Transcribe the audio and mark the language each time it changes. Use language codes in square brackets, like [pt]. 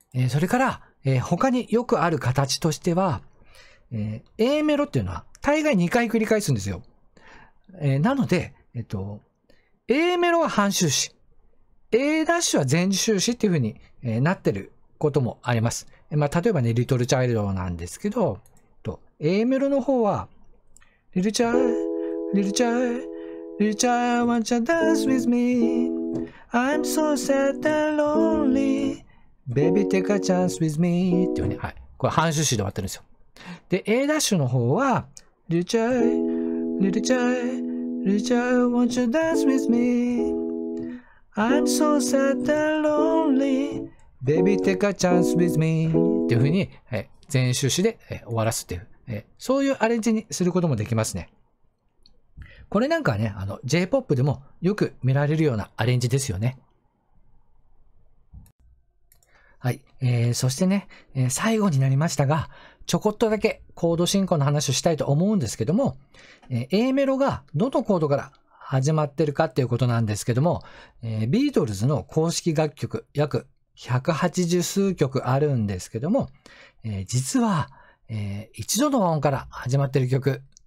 [ja] それから、他によくある形としては、A メロっていうのは大概2回繰り返すんですよ、なので、A メロは半終始、 A' は全終始っていうふうに、なってることもあります、まあ、例えばね、リトルチャイルドなんですけど、A メロの方は [en] Little child, little child, little child, won't you dance with me? I'm so sad and lonely. Baby, take a chance with me. [ja] っていうね、はい、これ半終始で終わってるんですよ。で、A ダッシュの方は、 [en] Little child, little child, little child, won't you dance with me? I'm so sad and lonely. Baby, take a chance with me. [ja] っていうふうに、はい、全終始で、終わらすっていう。そういうアレンジにすることもできますね。これなんかはね、J-POP でもよく見られるようなアレンジですよね。はい。そしてね、最後になりましたが、ちょこっとだけコード進行の話をしたいと思うんですけども、A メロがどのコードから始まってるかっていうことなんですけども、ビートルズの公式楽曲、約180数曲あるんですけども、実は、一度の和音から始まってる曲、